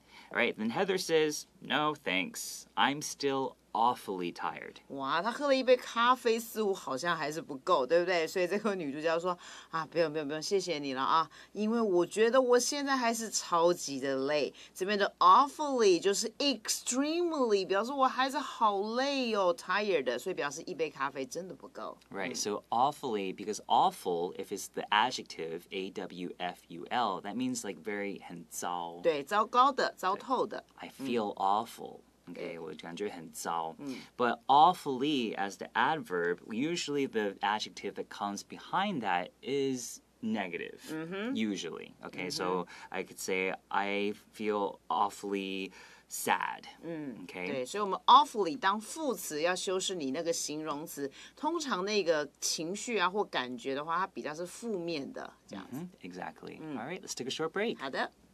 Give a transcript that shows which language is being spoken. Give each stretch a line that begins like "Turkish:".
English: All right, then Heather says, no thanks, I'm still awfully tired.
Chinese: 哇，她喝了一杯咖啡，似乎好像还是不够，对不对？所以这个女主角说，啊，不用不用不用，谢谢你了啊，因为我觉得我现在还是超级的累。这边的 awfully 就是 extremely， 表示我还是好累哦 ，tired， 所以表示一杯咖啡真的不够。
English: Right, so awfully, because awful, if it's the adjective, A-W-F-U-L, that means like very
Chinese: 很糟。对，糟糕的，糟透的。
English: I feel awful. Okay,
Chinese: 我感觉很糟、
English: But awfully as the adverb, usually the adjective that comes behind that is negative,、usually. Okay,、so I could say I feel awfully sad.、Okay?
Chinese: 对，所以我们 awfully 当副词要修饰你那个形容词，通常那个情绪啊或感觉的话，它比较是负面的这样子。
English: Exactly.、All right, let's take a short break.
Chinese: 好的。